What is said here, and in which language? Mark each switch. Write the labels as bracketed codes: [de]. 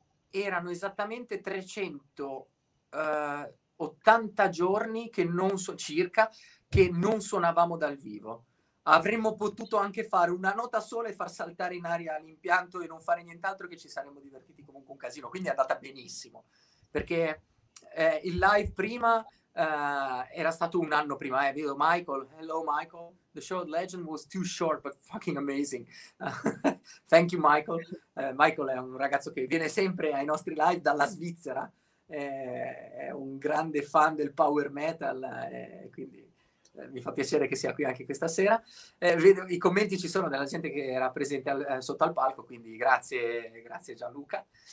[it] erano esattamente 380 giorni che non so circa che non suonavamo dal vivo. Avremmo potuto anche fare una nota sola e far saltare in aria l'impianto e non fare nient'altro che ci saremmo divertiti comunque un casino. Quindi è andata benissimo. Perché Il live prima era stato un anno prima, vedo Michael. [en] Hello Michael. The show Legend was too short but fucking amazing. Thank you Michael. [it] Michael è un ragazzo che viene sempre ai nostri live dalla Svizzera. È un grande fan del power metal, quindi mi fa piacere che sia qui anche questa sera. Vedo, i commenti ci sono della gente che era presente sotto al palco, quindi grazie, grazie Gianluca.